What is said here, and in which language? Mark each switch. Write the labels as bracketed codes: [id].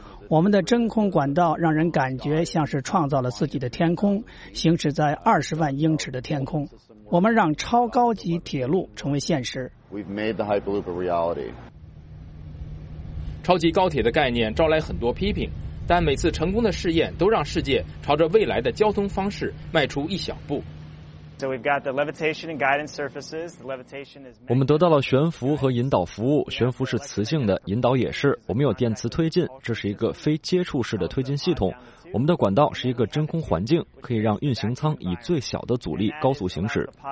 [zh] 我们的真空管道让人感觉像是创造了自己的天空，行驶在20万英尺的天空。我们让超高级铁路成为现实。 [en] We've made the Hyperloop a reality. [zh] 超级高铁的概念招来很多批评，但每次成功的试验都让世界朝着未来的交通方式迈出一小步。 [en] So we've got the levitation and guidance surfaces. The levitation is. [zh] 我们得到了悬浮和引导服务，悬浮是磁性的，引导也是。我们有电磁推进，这是一个非接触式的推进系统。我们的管道是一个真空环境，可以让运行舱以最小的阻力高速行驶。